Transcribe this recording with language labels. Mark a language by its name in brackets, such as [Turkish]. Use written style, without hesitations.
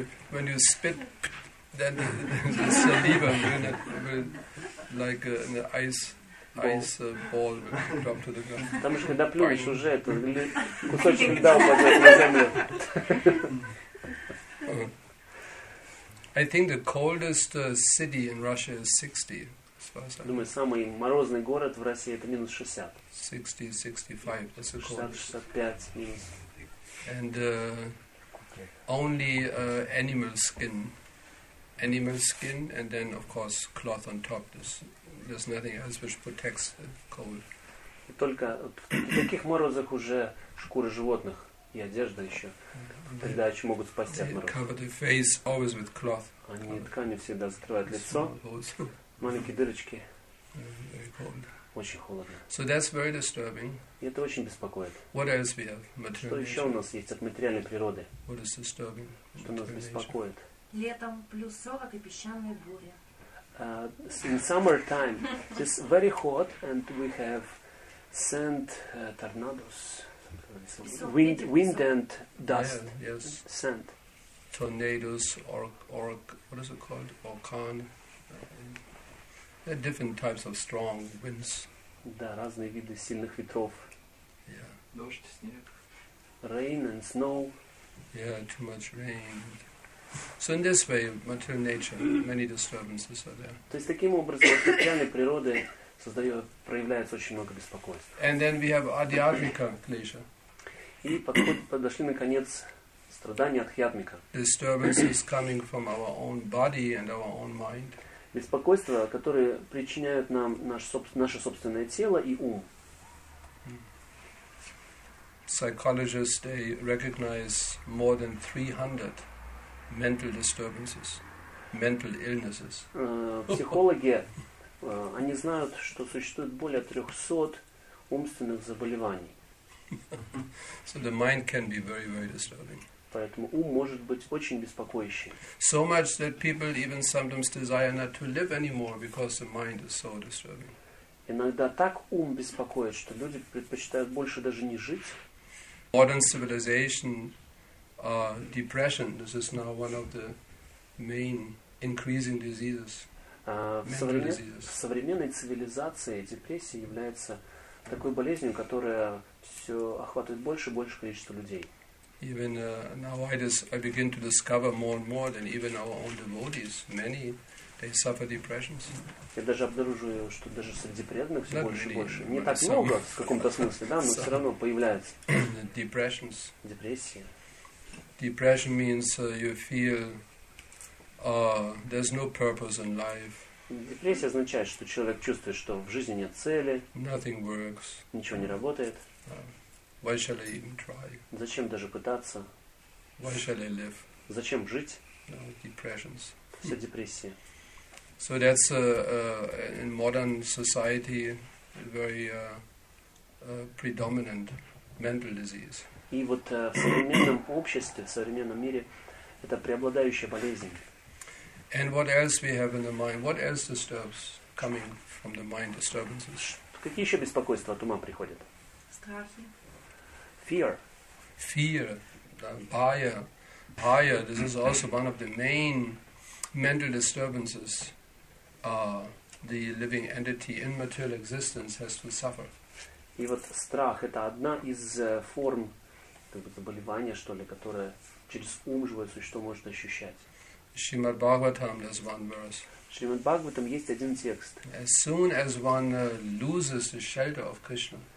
[English] When you spit, then the saliva will like an ice. Ice ball will drop to the ground. [Russian] Там же когда плюешь уже, это кусочек льда упадет на землю. [English] I think the coldest city in Russia is 60. [Russian] Думаю, самый морозный город в России это минус 60. [English] 60-65. That's the coldest. And only animal skin, and then of course cloth on top. There's nothing else which protects the cold. [Russian] И только в таких морозах уже шкуры животных и одежда еще передачи могут спасти от мороза. [English] Cover the face always with cloth. [Russian] Они ткани всегда закрывают лицо. Маленькие дырочки. Очень холодно. [English] So that's very disturbing. [Russian] И это очень беспокоит. [English] What else we have? Material. [Russian] Что еще у нас есть от материальной природы? [English] What is disturbing? [Russian] Что нас беспокоит? Летом плюс 40 и песчаные бури. [English] In summertime, it's very hot and we have sand tornadoes. Wind and dust. Yes. Sand. Tornadoes or what is it called? Orkan. There are different types of strong winds. [Russian] Да, разные виды сильных ветров. [English] Yeah. [Russian] Дождь, снег. [English] Rain and snow. Yeah, too much rain. So in this way, material nature, many disturbances are there. [Russian] То есть таким образом в материальной природе проявляется очень много беспокойств. [English] And then we have Adiyatmika glacier. [Russian] И подошли наконец страдания от Адиятмика. [English] Disturbances coming from our own body and our own mind. [Russian] Беспокойства, которые причиняют нам наше собственное тело и ум. [English] Psychologists, they recognize more than 300 mental disturbances, mental illnesses. [Russian] Психологи, они знают, что существует более 300 умственных заболеваний. [English] So the mind can be very, very disturbing. [Russian] Поэтому ум может быть очень беспокоящим. [English] So much that people even sometimes desire not to live anymore because the mind is so disturbing. [Russian] Иногда так ум беспокоит, что люди предпочитают больше даже не жить. [English] Modern civilization, depression. This is now one of the main increasing diseases. [Russian] В современной цивилизации депрессия является такой болезнью, которая все охватывает больше и больше количество людей. [English] Even now I begin to discover more and more than even our own devotees, many they suffer depressions. [Russian] Я даже обнаруживаю, что даже среди преданных все больше и больше. Не так много, в каком-то смысле, да, но все равно появляются. [English] Depressions. [Russian] Депрессия. [English] Depression means you feel there's no purpose in life. [Russian] Депрессия означает, что человек чувствует, что в жизни нет цели. [English] Nothing works. [Russian] Ничего не работает. [English] Why shall I even try? [Russian] Зачем даже пытаться? [English] Why shall I live? [Russian] Зачем жить? [English] No, depressions. [Russian] Все депрессии. [English] So that's in modern society very predominant mental disease. [Russian] И вот в современном обществе, в современном мире это преобладающая болезнь. [English] And what else we have in the mind? What else disturbs coming from the mind disturbances? [Russian] Какие еще беспокойства от ума приходят? Страхи. [English] Fear, bhaya, this is also one of the main mental disturbances the living entity in material existence has to suffer. [Russian] И вот страх – это одна из форм заболевания, что ли, которое через ум живое существо может ощущать. [English] Shrimad Bhagavatam, there's one verse. [Russian] Shrimad Bhagavatam есть один текст. [English] As soon as one loses the shelter of Krishna,